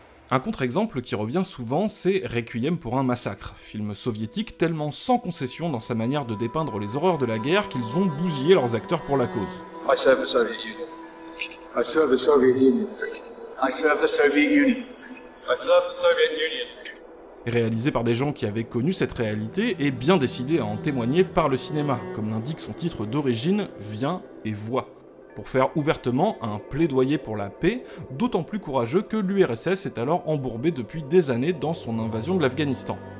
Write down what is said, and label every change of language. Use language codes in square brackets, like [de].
[fr] Un contre-exemple qui revient souvent, c'est Requiem pour un massacre, film soviétique tellement sans concession dans sa manière de dépeindre les horreurs de la guerre qu'ils ont bousillé leurs acteurs pour la cause. [en] I serve the Soviet Union. I serve the Soviet Union. I serve the Soviet Union. I serve the Soviet Union. [fr] Réalisé par des gens qui avaient connu cette réalité et bien décidé à en témoigner par le cinéma, comme l'indique son titre d'origine, Viens et Vois. Pour faire ouvertement un plaidoyer pour la paix, d'autant plus courageux que l'URSS est alors embourbée depuis des années dans son invasion de l'Afghanistan.